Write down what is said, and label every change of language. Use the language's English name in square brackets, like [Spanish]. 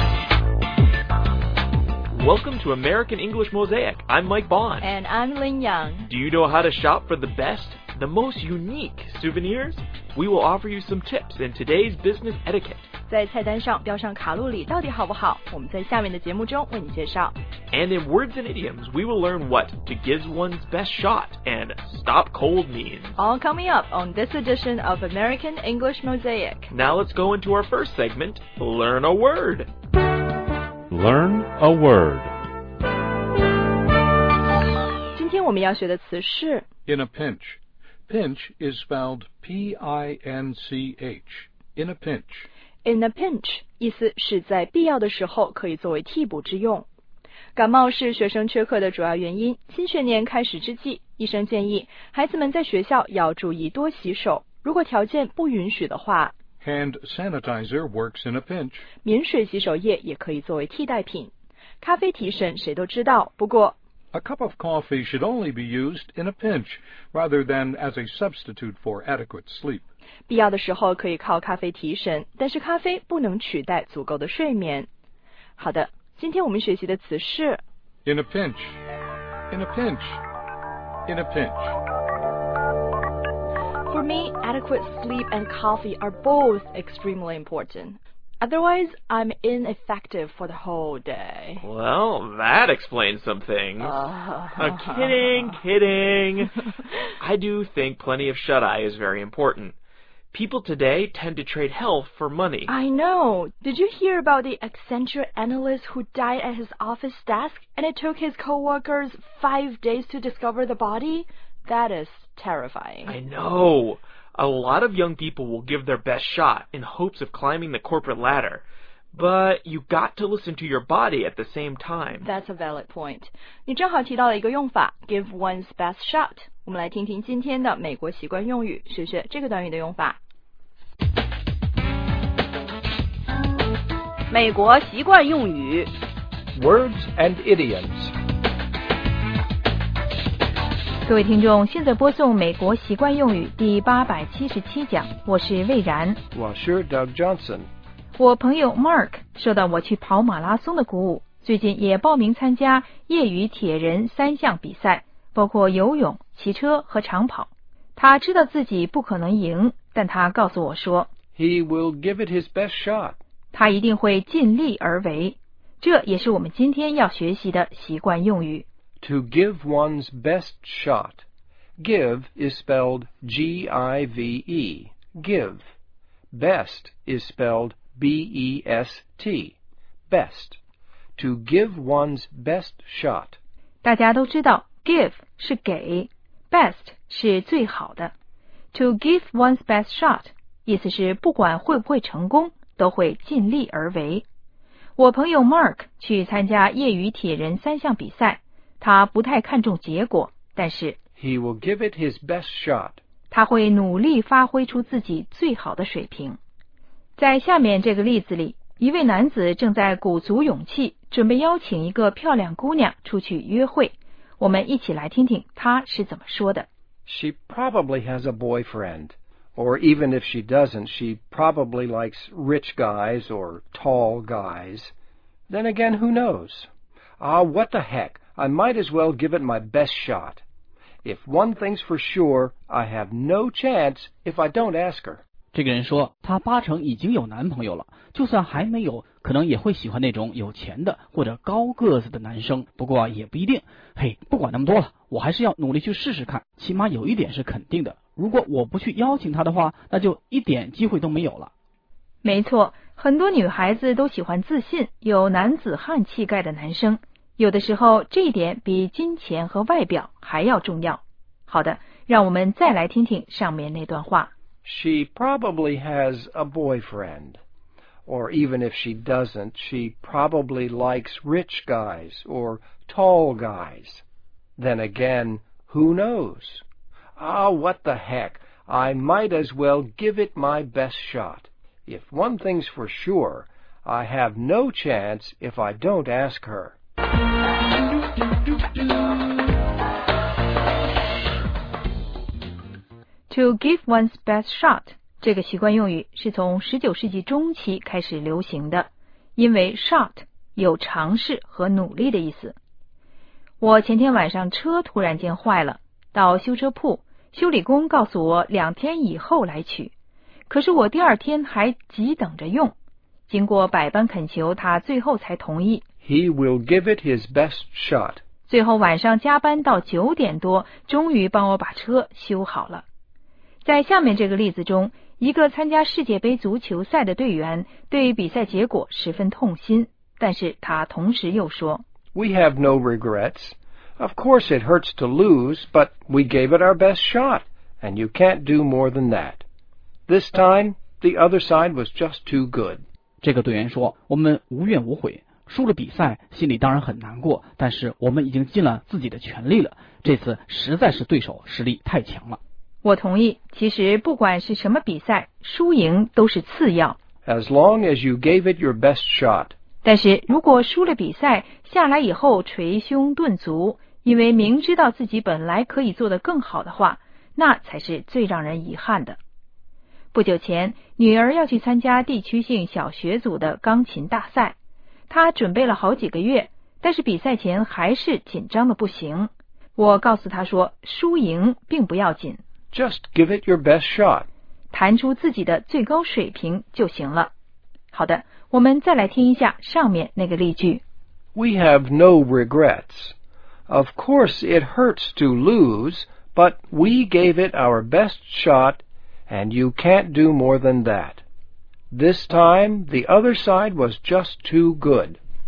[English] Welcome to American English Mosaic. I'm Mike Bond. And I'm Lin Yang. Do you know how to shop for the best, the most unique souvenirs? We will offer you some tips in today's business etiquette. [Chinese] 在菜单上标上卡路里到底好不好？我们在下面的节目中为你介绍。 [English] And in words and idioms, we will learn what to give one's best shot and stop cold means. All coming up on this edition of American English Mosaic. Now let's go into our first segment, Learn a Word. Learn a word. [Chinese] 今天我们要学的词是 [English] In a pinch. Pinch is spelled P-I-N-C-H. In a pinch. In a pinch, [Chinese] 意思是在必要的时候可以作为替补之用。感冒是学生缺课的主要原因。新学年开始之际，医生建议孩子们在学校要注意多洗手。如果条件不允许的话， [English] Hand sanitizer works in a pinch. [Chinese] 免水洗手液也可以作为替代品。咖啡提神谁都知道，不过 [English] A cup of coffee should only be used in a pinch, rather than as a substitute for adequate sleep. [Chinese] 必要的时候可以靠咖啡提神，但是咖啡不能取代足够的睡眠。好的，今天我们学习的词是 [English] In a pinch, in a pinch, in a pinch. For me, adequate sleep and coffee are both extremely important. Otherwise, I'm ineffective for the whole day. Well, that explains some things. Kidding. I do think plenty of shut-eye is very important. People today tend to trade health for money. I know. Did you hear about the Accenture analyst who died at his office desk, and it took his coworkers 5 days to discover the body? That is... terrifying. I know. A lot of young people will give their best shot in hopes of climbing the corporate ladder. But you got to listen to your body at the same time. That's a valid point. [Chinese] 你正好提到了一个用法 [English] give one's best shot. [Chinese] 我们来听听今天的美国习惯用语，学学这个短语的用法。美国习惯用语 [English] Words and idioms. [Chinese] 各位听众，现在播送美国习惯用语第877讲，我是魏然。我是 Doug Johnson。我朋友 Mark 受到我去跑马拉松的鼓舞，最近也报名参加业余铁人三项比赛，包括游泳、骑车和长跑。他知道自己不可能赢，但他告诉我说 [English] ,He will give it his best shot. [Chinese] 他一定会尽力而为。这也是我们今天要学习的习惯用语。 [English] To give one's best shot. Give is spelled G-I-V-E. Give. Best is spelled B-E-S-T. Best. To give one's best shot. [Chinese] 大家都知道 give 是给 best 是最好的 [English] To give one's best shot [Chinese] 意思是不管会不会成功都会尽力而为我朋友 Mark 去参加业余铁人三项比赛他不太看重结果，但是 [English] He will give it his best shot. [Chinese] 他会努力发挥出自己最好的水平。在下面这个例子里，一位男子正在鼓足勇气，准备邀请一个漂亮姑娘出去约会。我们一起来听听他是怎么说的。 [English] She probably has a boyfriend, or even if she doesn't, she probably likes rich guys or tall guys. Then again, who knows? Ah, what the heck? I might as well give it my best shot. If one thing's for sure, I have no chance if I don't ask her. [Chinese] 这个人说，她八成已经有男朋友了，就算还没有，可能也会喜欢那种有钱的或者高个子的男生，不过也不一定。嘿，不管那么多了，我还是要努力去试试看，起码有一点是肯定的。如果我不去邀请她的话，那就一点机会都没有了。没错，很多女孩子都喜欢自信，有男子汉气概的男生。有的时候这一点比金钱和外表还要重要。好的，让我们再来听听上面那段话。 [English] She probably has a boyfriend. Or even if she doesn't, she probably likes rich guys or tall guys. Then again, who knows? Ah, what the heck? I might as well give it my best shot. If one thing's for sure, I have no chance if I don't ask her. To give one's best shot [Chinese] 这个习惯用语是从19世纪中期开始流行的因为 shot 有尝试和努力的意思。我前天晚上车突然间坏了，到修车铺，修理工告诉我两天以后来取，可是我第二天还急等着用，经过百般恳求，他最后才同意。 [English] He will give it his best shot. [Chinese] 最后晚上加班到九点多，终于帮我把车修好了。在下面这个例子中，一个参加世界杯足球赛的队员对比赛结果十分痛心，但是他同时又说， [English] We have no regrets. Of course it hurts to lose, but we gave it our best shot, and you can't do more than that. This time, the other side was just too good. [Chinese] 这个队员说，我们无怨无悔，输了比赛心里当然很难过，但是我们已经尽了自己的全力了，这次实在是对手实力太强了。我同意，其实不管是什么比赛，输赢都是次要。 [English] As long as you gave it your best shot. [Chinese] 但是如果输了比赛，下来以后捶胸顿足，因为明知道自己本来可以做得更好的话，那才是最让人遗憾的。不久前，女儿要去参加地区性小学组的钢琴大赛，她准备了好几个月，但是比赛前还是紧张的不行。我告诉她说，输赢并不要紧。 [English] Just give it your best shot. [Chinese] 弹出自己的最高水平就行了。好的，我们再来听一下上面那个例句。 [English] We have no regrets. Of course it hurts to lose, but we gave it our best shot, and you can't do more than that. This time, the other side was just too good.